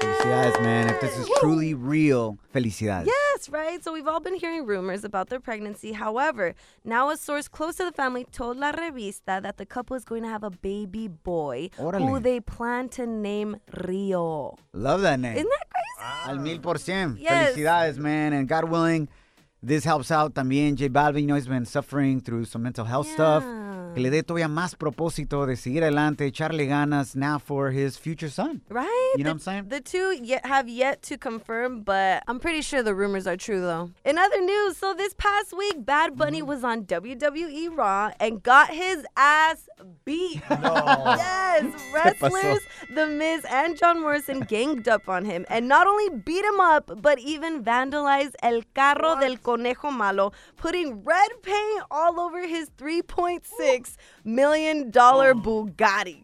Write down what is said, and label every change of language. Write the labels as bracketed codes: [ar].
[en] Yes, man. If this is truly real, [es] felicidades. [en] Yes, right? So we've all been hearing rumors about their pregnancy. However, now a source close to the family told La Revista that the couple is going to have a baby boy who they plan to name Rio. Love that name. Isn't that crazy? Wow. [es] Al 1000%. [en] Yes. [es] Felicidades, [en] man. And God willing, this helps out [es] también. [en] J Balvin, you know, he's been suffering through some mental health stuff. [es] Que le dé todavía más propósito de seguir adelante, echarle ganas [en] now for his future son. Right? You know what I'm saying? The two have yet to confirm, but I'm pretty sure the rumors are true, though. In other news, so this past week, Bad Bunny was on WWE Raw and got his ass beat. No. Yes. Wrestlers, The Miz, and John Morrison ganged up on him and not only beat him up, but even vandalized El Carro del Conejo Malo, putting red paint all over his 3.6 million dollar Bugatti.